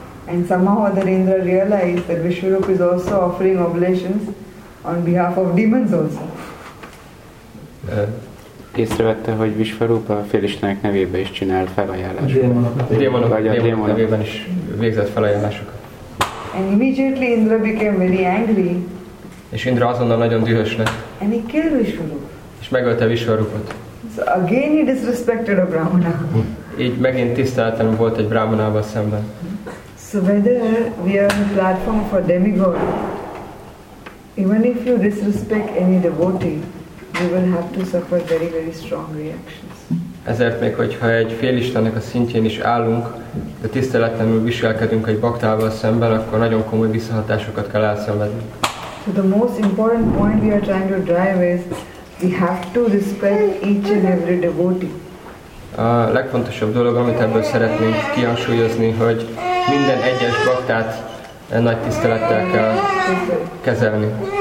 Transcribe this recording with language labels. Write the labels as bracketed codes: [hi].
[en] And somehow other Indra realized that Vishwarup is also offering oblations on behalf of demons also. [hu] Észrevette, hogy Vishwarup a félistenek nevében is csinál felajánlásokat. A démonok nevében is végzett felajánlásokat. [en] And immediately Indra became very angry. [hu] És Indra azonnal nagyon dühös lett. [en] And he killed Vishwarup. [hu] És megölte Vishwarupot. [en] So again he disrespected a brahmana. [hu] Így megint tiszteletlenül volt egy brahmanával szemben. [en] So whether we are a platform for demigod, even if you disrespect any devotee, you will have to suffer very very strong reactions. [hu] Ezért még, hogyha egy félistennek a szintjén is állunk, de tiszteletlenül viselkedünk egy baktával szemben, akkor nagyon komoly visszahatásokat kell elszenvedni. [en] So the most important point we are trying to drive is, we have to respect each and every devotee. [hu] A legfontosabb dolog, amit ebből szeretnénk kihangsúlyozni, hogy minden egyes baktát nagy tisztelettel kell kezelni.